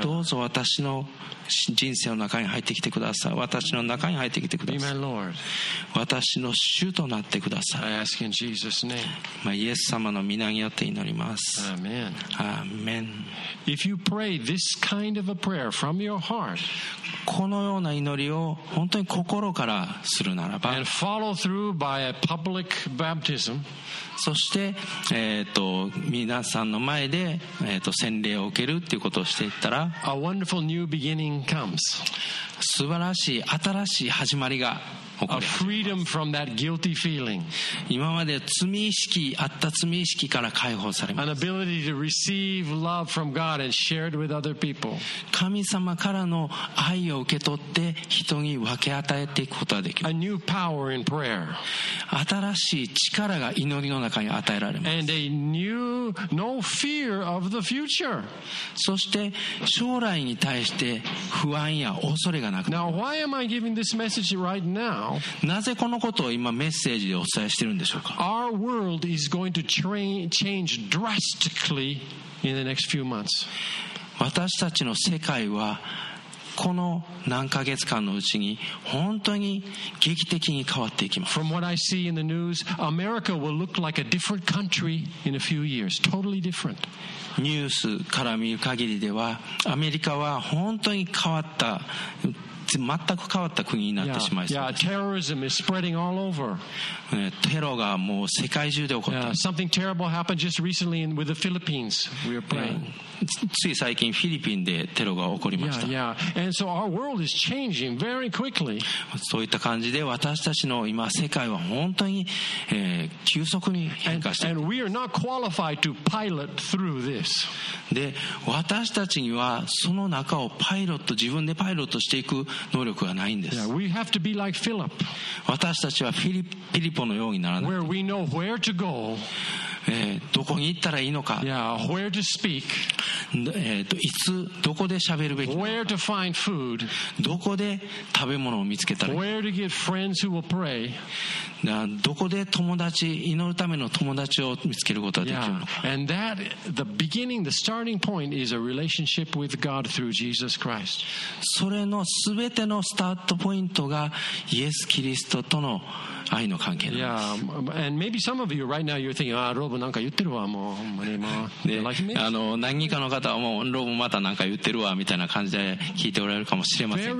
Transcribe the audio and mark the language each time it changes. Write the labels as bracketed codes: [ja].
[ja] どうぞ私の人生の中に入ってきてください。私の中に入ってきてください。私の主となってください。 [en] I ask in Jesus' name. [ja] イエス様の御名によって祈ります。 [en] Amen. Amen. If you pray this kind of a prayer from your heart, [ja] このような祈りを本当に心からするならば、 [en] and follow through by a public baptism, [ja] そして、皆さんの前で洗礼を受けるっていうことをしていったら、 [en] A wonderful new beginning comes. [ja] 素晴らしい新しい始まりが起こります。 [en] A freedom from that guilty feeling. [ja] 今まで罪意識あった罪意識から解放されます。 [en] An ability to receive love from God and share it with other people. [ja] 神様からの愛を受け取って人に分け与えていくことができます。 [en] A new power in prayer. [ja] 新しい力が祈りの中に与えられます。 [en] And a new no fear of the future. [ja] そして将来に対して不安や恐れがなくな [en] る。Now why am I giving this message right now? [ja] なぜこのことを今メッセージでお伝えしているんでしょうか。 [en] Our world is going to change drastically in the next few months. [ja] 私たちの世界はこの何ヶ月間のうちに本当に劇的に変わっていきます。 [en] From what I see in the news, America will look like a different country in a few years. Totally different. [ja] ニュースから見る限りではアメリカは本当に変わった全く変わった国になってしまいそうです。 [en] Yeah, terrorism is spreading all over. [ja] テロがもう世界中で起こった。 [en] Yeah, something terrible happened just recently with the Philippines. We are praying. [ja] つい最近フィリピンでテロが起こりました。 [en] Yeah, yeah. And so our world is changing very quickly. [ja] そういった感じで私たちの今世界は本当に、急速に変化しています。 [en] And we are not qualified to pilot through this. [ja] で私たちにはその中をパイロット自分でパイロットしていく能力がないんです。 [en] Yeah, we have to be like Philip. 私たちはフィリポのようにならない。 Where we know where to go. [ja] どこに行ったらいいのか、 [en] yeah, where to speak. [ja] いつどこで喋るべきか、 [en] where to find food. [ja] どこで食べ物を見つけたらいい、 [en] where to get friends who will pray. [ja] どこで友達、祈るための友達を見つけることができるのか、yeah. [en] And that, the beginning, the starting point is a relationship with God through Jesus Christ. [ja] それの全てのスタートポイントがイエス・キリストとの愛の関係なんです。 [en] Yeah, and maybe some of you right now you're thinking, ah, Rob, [ja] なんか言ってるわ、もうほんまに、もう、 [en] like me. [ja] 何人かの方はもう、Rob, またなんか言ってるわみたいな感じで聞いておられるかもしれませんけど。